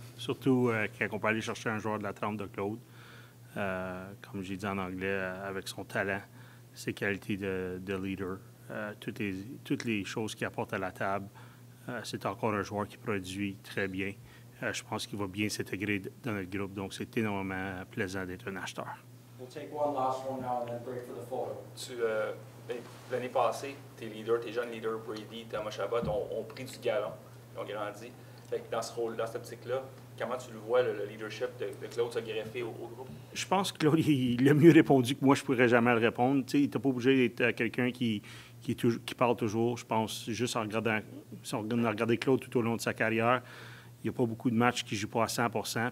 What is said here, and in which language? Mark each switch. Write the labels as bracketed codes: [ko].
[fr] Surtout quand on peut aller chercher un joueur de la trempe de Claude. Comme j'ai dit en anglais, avec son talent, ses qualités de leader, toutes les choses qu'il apporte à la table, c'est encore un joueur qui produit très bien. Je pense qu'il va bien s'intégrer dans notre groupe, donc c'est énormément plaisant d'être un acheteur. [en] We'll take one last one now and then break for the photo. [fr] L'année passée, tes leaders, tes jeunes leaders, Brady, Thomas Chabot, ont pris du galon, ils ont grandi. Fait que dans ce rôle, dans cette optique-là, comment tu le vois, le leadership de Claude se greffer au groupe? Je pense que Claude, il a mieux répondu que moi, je pourrais jamais le répondre. Tu sais, il n'était pas obligé d'être quelqu'un qui parle toujours, je pense, juste en regardant, si on a regardé Claude tout au long de sa carrière, il n'y a pas beaucoup de matchs qu'il ne joue pas à 100%.